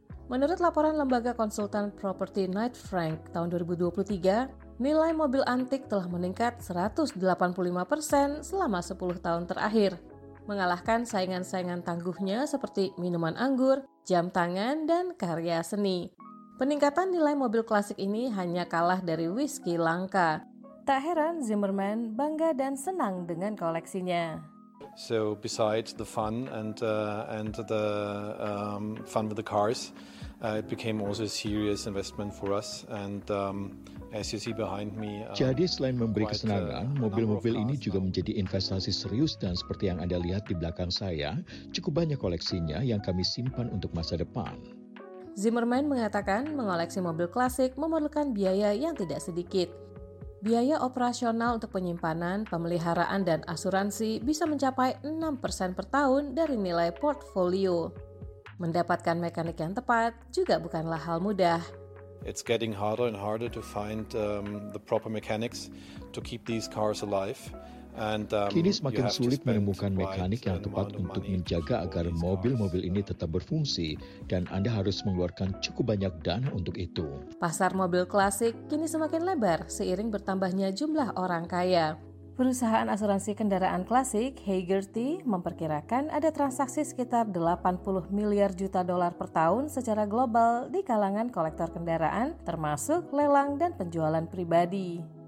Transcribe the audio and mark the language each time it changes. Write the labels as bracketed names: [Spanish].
[Indonesian] Menurut laporan lembaga konsultan properti Knight Frank tahun 2023, nilai mobil antik telah meningkat 185% selama 10 tahun terakhir, mengalahkan saingan-saingan tangguhnya seperti minuman anggur, jam tangan, dan karya seni. Peningkatan nilai mobil klasik ini hanya kalah dari whisky langka. Tak heran Zimmermann bangga dan senang dengan koleksinya. [English] So besides the fun and the fun with the cars, it became also a serious investment for us. And as you see behind me, [Indonesian] jadi selain memberi kesenangan, mobil-mobil ini juga menjadi investasi serius dan seperti yang Anda lihat di belakang saya, cukup banyak koleksinya yang kami simpan untuk masa depan. Zimmerman mengatakan mengoleksi mobil klasik memerlukan biaya yang tidak sedikit. Biaya operasional untuk penyimpanan, pemeliharaan, dan asuransi bisa mencapai 6% per tahun dari nilai portfolio. Mendapatkan mekanik yang tepat juga bukanlah hal mudah. [English] It's getting harder and harder to find the proper mechanics to keep these cars alive. [Indonesian] Kini semakin sulit menemukan mekanik yang tepat untuk menjaga agar mobil-mobil ini tetap berfungsi, dan Anda harus mengeluarkan cukup banyak dana untuk itu. Pasar mobil klasik kini semakin lebar seiring bertambahnya jumlah orang kaya. Perusahaan asuransi kendaraan klasik, Hagerty, memperkirakan ada transaksi sekitar 80 miliar juta dolar per tahun secara global di kalangan kolektor kendaraan, termasuk lelang dan penjualan pribadi.